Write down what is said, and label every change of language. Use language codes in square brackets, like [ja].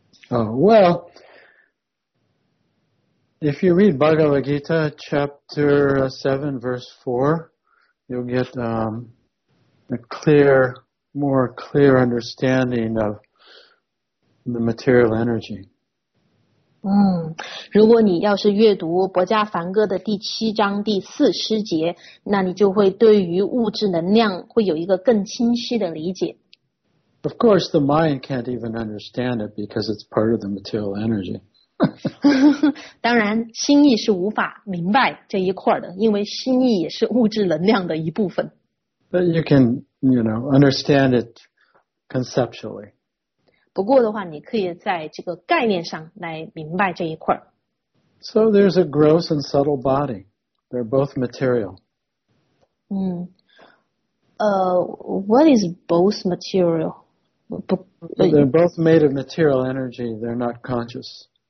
[en] Oh, well, if you read Bhagavad Gita chapter 7, verse 4, you'll get more clear understanding of the material energy. [zh] 嗯，如果你要是阅读《博迦梵歌》的第七章第四师节，那你就会对于物质能量会有一个更清晰的理解。 [en] Of course, the mind can't even understand it because it's part of the material energy. [zh] 当然，心意是无法明白这一块的，因为心意也是物质能量的一部分。 [en] But you can, you know, understand it conceptually. [zh] 不过的话，你可以在这个概念上来明白这一块。 [en] So there's a gross and subtle body. They're both material. What is both material? They're both made of material energy. They're not conscious.